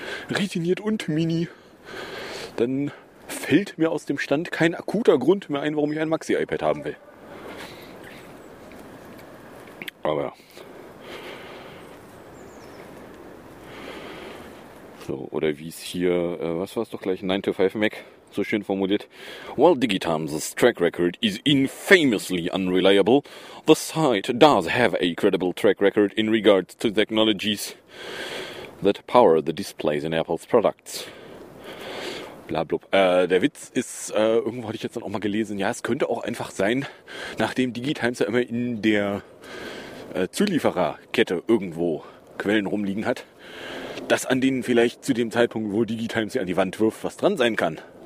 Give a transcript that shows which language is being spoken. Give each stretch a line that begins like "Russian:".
German: Retiniert und Mini, dann fällt mir aus dem Stand kein akuter Grund mehr ein, warum ich ein Maxi-iPad haben will. Aber ja. So, oder wie es hier, was war es doch gleich, 9to5Mac, so schön formuliert.
English: While DigiTimes' track record is infamously unreliable, the site does have a credible track record in regards to technologies that power the displays in Apple's products. Blablub.
German: Der Witz ist, irgendwo hatte ich jetzt dann auch mal gelesen, ja, es könnte auch einfach sein, nachdem DigiTimes ja immer in der Zuliefererkette irgendwo Quellen rumliegen hat, dass an denen vielleicht zu dem Zeitpunkt, wo DigiTimes sie an die Wand wirft, was dran sein kann.